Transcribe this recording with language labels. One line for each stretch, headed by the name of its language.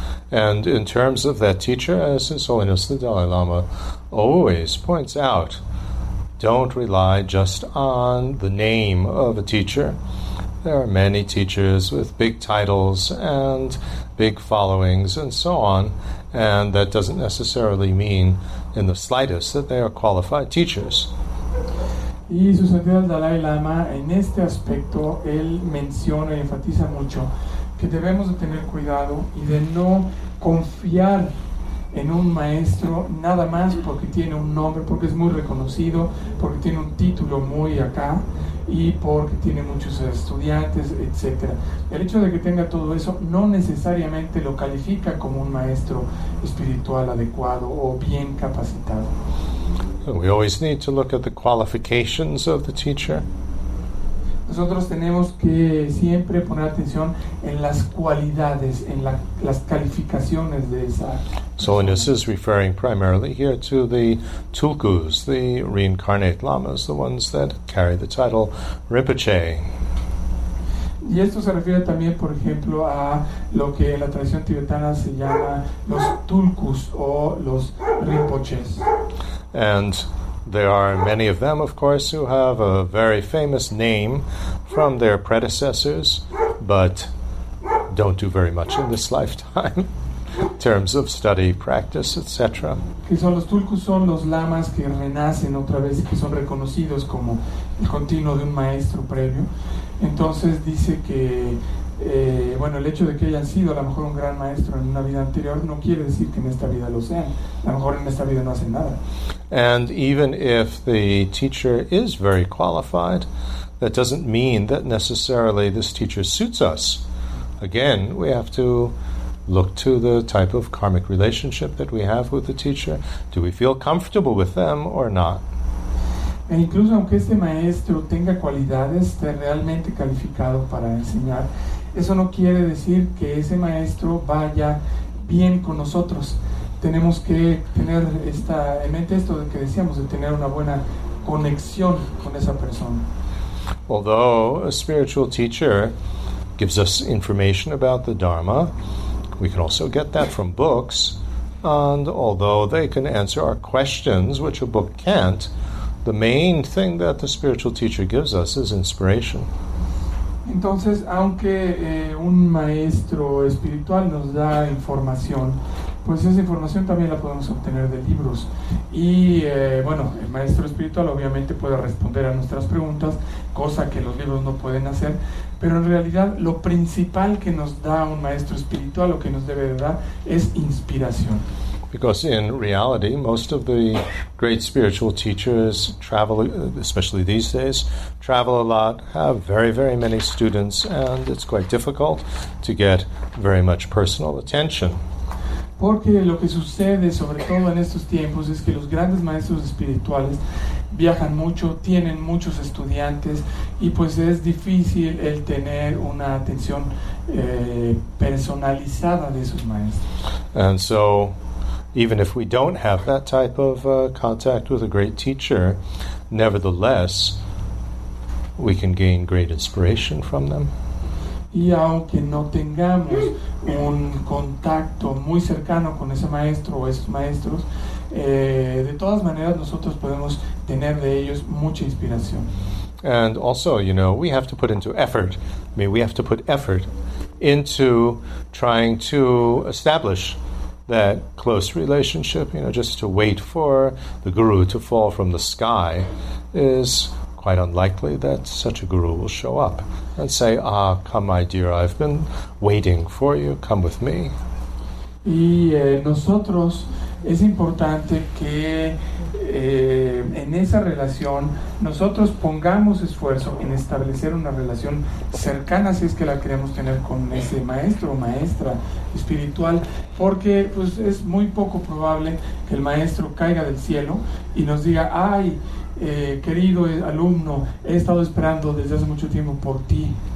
English: And in terms of that teacher, as His Holiness the Dalai Lama always points out, don't rely just on the name of a teacher. There are many teachers with big titles and big followings and so on, and that doesn't necessarily mean in the slightest that they are qualified teachers.
Spanish: Y su santidad el Dalai Lama, en este aspecto, él menciona y enfatiza mucho que debemos de tener cuidado y de no confiar en un maestro nada más porque tiene un nombre, porque es muy reconocido, porque tiene un título muy acá y porque tiene muchos estudiantes, etc. El hecho de que tenga todo eso no necesariamente lo califica como un maestro espiritual adecuado o bien capacitado.
English: We always need to look at the qualifications of the teacher.
Spanish: Nosotros tenemos que siempre poner atención en las cualidades, en las calificaciones de esa.
English: So, and this is referring primarily here to the tulkus, the reincarnate lamas, the ones that carry the title Rinpoche.
Spanish: Y esto se refiere también, por ejemplo, a lo que en la tradición tibetana se llama los tulkus o los rinpoches.
English: And there are many of them, of course, who have a very famous name from their predecessors, but don't do very much in this lifetime in terms of study, practice, etc.
Spanish: Que son los tulkus, son los lamas que renacen otra vez y que son reconocidos como el continuo de un maestro previo. Entonces dice que bueno, el hecho de que hayan sido a lo mejor un gran maestro en una vida anterior no quiere decir que en esta vida lo sean. A lo mejor en esta vida no hacen nada.
English: And even if the teacher is very qualified, that doesn't mean that necessarily this teacher suits us. Again, we have to look to the type of karmic relationship that we have with the teacher. Do we feel comfortable with them or not?
Spanish: E incluso aunque este maestro tenga cualidades, esté realmente calificado para enseñar, eso no quiere decir que ese maestro vaya bien con nosotros. Tenemos que tener esta en mente esto de que decíamos, de tener una buena conexión con esa persona.
English: Although a spiritual teacher gives us information about the Dharma, we can also get that from books, and although they can answer our questions, which a book can't, the main thing that the spiritual teacher gives us is inspiration.
Spanish: Entonces, aunque un maestro espiritual nos da información, pues esa información también la podemos obtener de libros. Y bueno, el maestro espiritual obviamente puede responder a nuestras preguntas, cosa que los libros no pueden hacer. Pero en realidad, lo principal que nos da un maestro espiritual, lo que nos debe de dar, es inspiración.
English: Because in reality, most of the great spiritual teachers travel, especially these days, travel a lot, have very, very many students, and it's quite difficult to get very much personal attention.
Spanish: Porque lo que sucede, sobre todo en estos tiempos, es que los grandes maestros espirituales viajan mucho, tienen muchos estudiantes, y pues es difícil el tener una atención personalizada de esos maestros.
English: And so, even if we don't have that type of contact with a great teacher, nevertheless, we can gain great inspiration from them.
Spanish: Y aunque no tengamos un contacto muy cercano con ese maestro o esos maestros, de todas maneras nosotros podemos tener de ellos mucha inspiración.
English: And also, you know, we have to put into effort. I mean, we have to put effort into trying to establish that close relationship. You know, just to wait for the guru to fall from the sky is quite unlikely that such a guru will show up and say, ah, come my dear, I've been waiting for you, come with me.
Spanish: Y nosotros es importante que en esa relación nosotros pongamos esfuerzo en establecer una relación cercana si es que la queremos tener con ese maestro o maestra espiritual, porque pues es muy poco probable que el maestro caiga del cielo y nos diga, ay, querido alumno, he estado esperando desde hace mucho tiempo por ti.